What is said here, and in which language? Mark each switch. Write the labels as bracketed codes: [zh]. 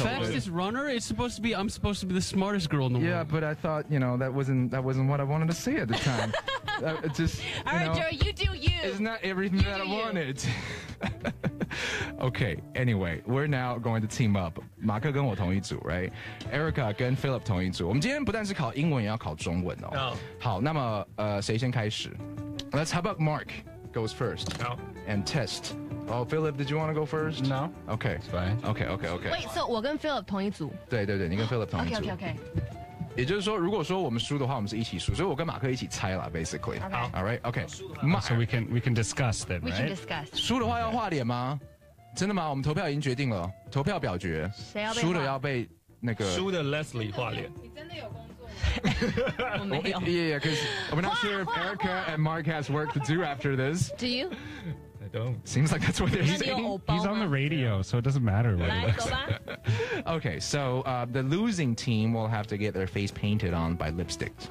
[en] it. Fastest runner? It's supposed to be... I'm supposed to be the smartest girl in the world. Yeah, but I thought, you know, that wasn't what I wanted to say at the time. All right, Joe, you do you. It's not everything that I wanted. Okay, anyway, we're now going to team up. [zh] 马克跟我同一组 [en] right? [zh] Erica 跟 Philip 同一组。我们今天不但是考英文，也要考中文哦。好，那么谁先开始？ [en] Let's how about Mark goes first. No. And test. Oh, Philip, did you want to go first? No. Okay. It's fine. Okay. Wait, so [zh] 我跟 Philip 同一组。对对对，你跟 Philip 同一组。 [en] Okay. [zh] 也就是说，如果说我们输的话，我们是一起输，所以我跟马克一起猜啦 [en] basically. Okay. All right. Okay. So we can discuss then, right? We can discuss. [zh] 输的话要画脸吗？真的吗？我们投票已经决定了，投票表决，输的要被那个输的 Leslie 画脸。我没有。 [en] Yeah, because I'm not sure if Erica and Mark has work to do after this. Do you? I don't. Seems like that's what they're saying. He's on the radio, so it doesn't matter what it looks like. Okay, so the losing team will have to get their face painted on by lipstick.